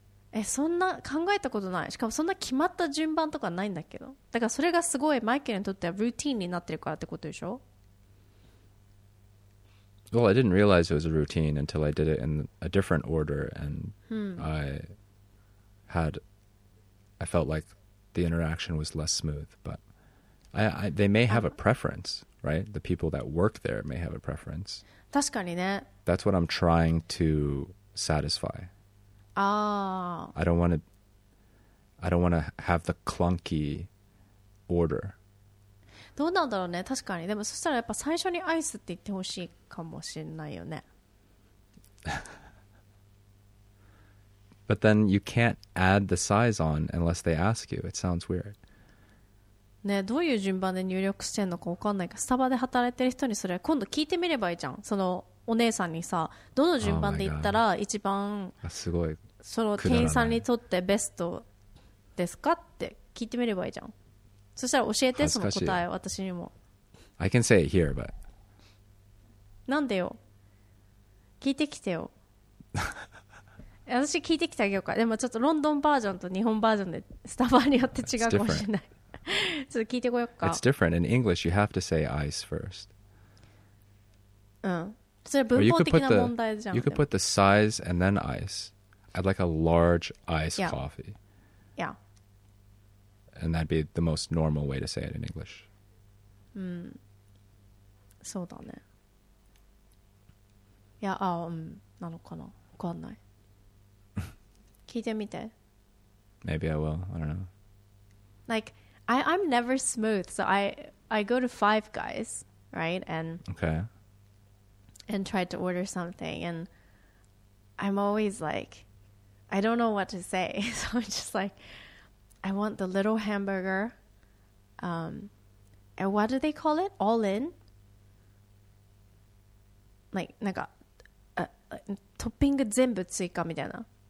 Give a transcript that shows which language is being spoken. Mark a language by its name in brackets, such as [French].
[Japanese] え、そんな考えたことない。しかもそんな決まった順番とかないんだけど。だからそれがすごいマイケルにとってはルーティーンになってるからってことでしょ? [English] Well, I didn't realize it was a routine until I did it in a different order and I felt like the interaction was less smooth, but they may have a preference, right? The people that work there may have a preference. [Japanese] 確かにね。 [English] That's what I'm trying to satisfy. I don't want to have the clunky order. [Japanese] どうなんだろうね確かにでもそしたらやっぱ最初にアイスって言ってほしいかもしれないよね [English] But then you can't add the size on unless they ask you. It sounds weird. [Japanese] ねどういう順番で入力してんのか分かんないかスタバで働いてる人にそれ今度聞いてみればいいじゃんそのお姉さんにさどの順番で言ったら一番、 oh、すごいその店員さんにとってベストですかって聞いてみればいいじゃんそしたら教えてその答え私にも [English] I can say it here but [Japanese] なんでよ聞いてきてよ私聞いてきてあげようかでもちょっとロンドンバージョンと日本バージョンでスタバによって違うかもしれないちょっと聞いてこようか [English] It's different in English you have to say ice first [Japanese] うんそれは文法的な問題じゃん [English] You could put the size and then ice I'd like a large ice coffee Yeah. And that'd be the most normal way to say it in English. [Japanese] そうだね。いや、あ、なのかな。わかんない。聞いてみて。 [English] Maybe I will. I don't know. Like, I'm never smooth. So I go to Five Guys, right? And okay. And try to order something. And I'm always like, I don't know what to say. So I'm just like... I want the little hamburger. And what do they call it? All in? [Japanese] like なんか、トッピング全部追加みたいな。